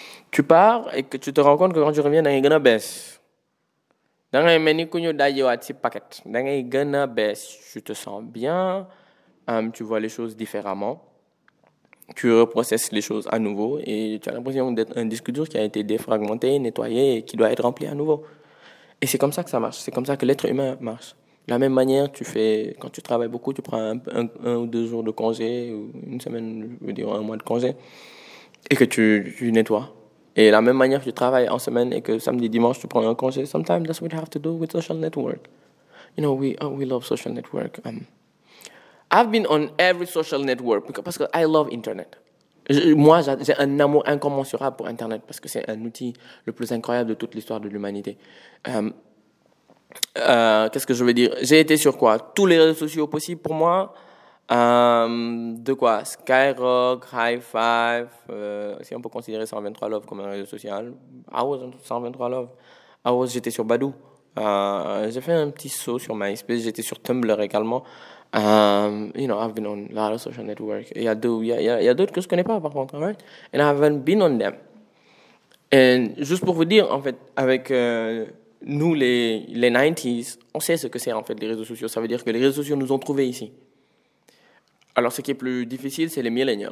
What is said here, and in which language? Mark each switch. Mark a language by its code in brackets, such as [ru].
[fr] Tu pars et que tu te rends compte que quand tu reviens, tu te sens bien, tu vois les choses différemment, tu reprocesses les choses à nouveau et tu as l'impression d'être un disque dur qui a été défragmenté, nettoyé et qui doit être rempli à nouveau. Et c'est comme ça que ça marche, c'est comme ça que l'être humain marche. De la même manière, tu fais, quand tu travailles beaucoup, tu prends un ou 2 jours de congé, ou une semaine, je veux dire un mois de congé, et que tu nettoies. Et de la même manière, tu travailles en semaine et que samedi, dimanche, tu prends un congé. [en] Sometimes that's what you have to do with social network. You know, we love social network. I've been on every social network [fr] parce que [en] I love Internet. [fr] Moi, j'ai un amour incommensurable pour Internet parce que c'est un outil le plus incroyable de toute l'histoire de l'humanité. Qu'est-ce que je veux dire? J'ai été sur quoi? Tous les réseaux sociaux possibles pour moi. De quoi? Skyrock, High Five. Si on peut considérer 123 Love comme un réseau social. [en] I was on 123 Love. [fr] J'étais sur Badoo. J'ai fait un petit saut sur MySpace. J'étais sur Tumblr également. [en] I've been on a lot of social networks. [fr] Il y a d'autres que je connais pas, par contre. [en] Right? And I haven't been on them. [fr] Et juste pour vous dire, en fait, avec nous, les 90s, on sait ce que c'est, en fait, les réseaux sociaux. Ça veut dire que les réseaux sociaux nous ont trouvés ici. Alors, ce qui est plus difficile, c'est les millennials.